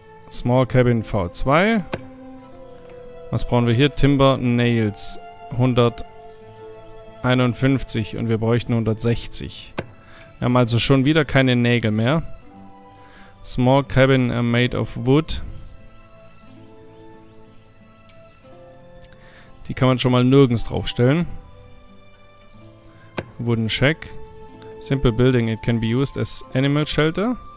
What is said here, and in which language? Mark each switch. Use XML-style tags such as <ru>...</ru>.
<de>Small Cabin V2. Was brauchen wir hier? Timber Nails. 151 und wir bräuchten 160. Wir haben also schon wieder keine Nägel mehr.</de> <en>Small Cabin made of wood.</en> <de>Die kann man schon mal nirgends draufstellen.</de> <en>Wooden Shack. Simple building, it can be used as animal shelter.</en>